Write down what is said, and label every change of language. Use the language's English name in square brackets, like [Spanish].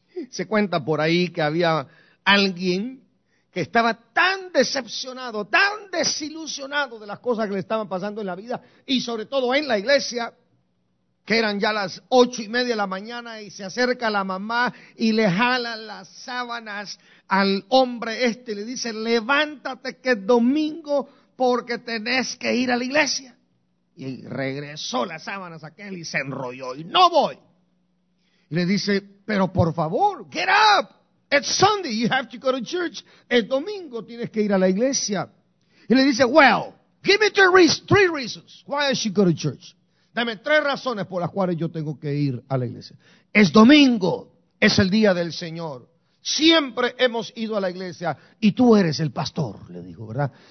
[Spanish] Se cuenta por ahí que había alguien que estaba tan decepcionado, tan desilusionado de las cosas que le estaban pasando en la vida y sobre todo en la iglesia, que eran ya las 8:30 de la mañana y se acerca la mamá y le jala las sábanas al hombre este y le dice, levántate que es domingo porque tenés que ir a la iglesia. Y regresó las sábanas a aquel y se enrolló y no voy. Y le dice, pero por favor, [English] get up. It's Sunday, you have to go to church. [Spanish] El domingo tienes que ir a la iglesia. Y le dice, [English] well, give me three reasons why I should go to church. [Spanish] Dame tres razones por las cuales yo tengo que ir a la iglesia. Es domingo, es el día del Señor. Siempre hemos ido a la iglesia y tú eres el pastor, le dijo, ¿verdad?